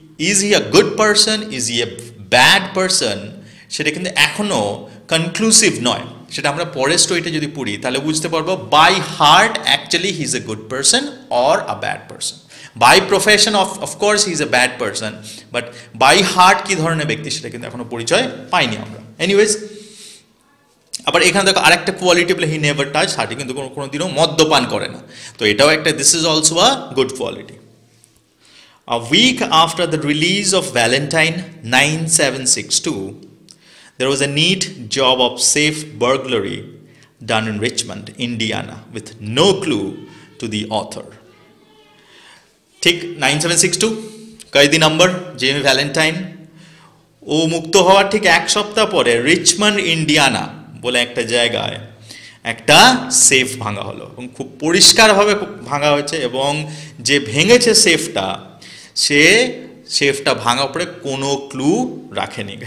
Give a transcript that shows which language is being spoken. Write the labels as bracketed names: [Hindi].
[English] is he a good person, is he a bad person, [Bangla] সেটা কিন্তু এখনও conclusive নয়, সেটা আমরা পরের স্টোরিটা যদি পড়ি তাহলে বুঝতে পারবো [English] by heart actually he is a good person or a bad person, by profession of course he is a bad person, but by heart [Bangla] কী ধরনের ব্যক্তি সেটা কিন্তু এখনও পরিচয় পাইনি আমরা। এনিওয়েজ, আবার এখানে দেখো আরেকটা কোয়ালিটি বলে [English] he never touch hard, [Bangla] কিন্তু কোনো দিনও মদ্যপান করে না, তো এটাও একটা, [English] This is also a good quality. A week after the release of Valentine 9762, there was a neat job of safe burglary done in Richmond, Indiana, with no clue to the author. [Bangla] ঠিক 9762, কয়েদি নম্বর, Jamie Valentine, ও মুক্ত হওয়ার ঠিক এক সপ্তাহ পরে Richmond Indiana বলে একটা জায়গায় একটা সেফ ভাঙা হলো, এবং খুব পরিষ্কারভাবে ভাঙা হয়েছে, এবং যে ভেঙেছে সেফটা সে সেফটা ভাঙা পরে কোনো ক্লু রাখেনি।